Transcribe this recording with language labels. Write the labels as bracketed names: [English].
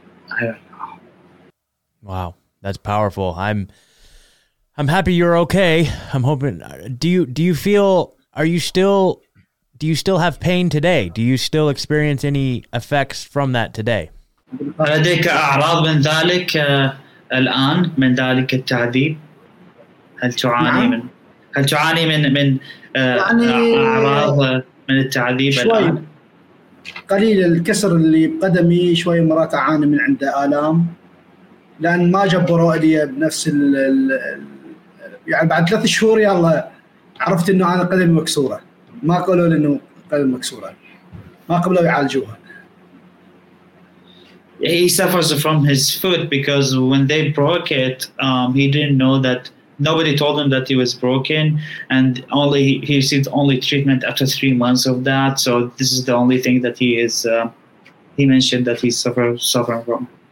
[English] I don't know. Wow, that's powerful. I'm happy you're okay. I'm hoping. Do you still have pain today? Do you still experience any effects from that today? [Arabic] لديك أعراض من ذلك الآن من ذلك التعذيب؟ هل تعاني من أعراض من التعذيب الآن؟ قليل الكسر اللي بقدمي شوي، مرات أعاني من عنده آلام لأن ما جبروا لي بنفس يعني بعد 3 شهور يلا عرفت إنه أنا قدمي مكسورة، ما قالوا لي إنه قدمي مكسورة، ما قبلوا يعالجوها. [English] He suffers from his foot because when they broke it, he didn't know that, nobody told him that he was broken, and only he received only treatment after 3 months of that. So this is the only thing that he is, he mentioned that he suffering from.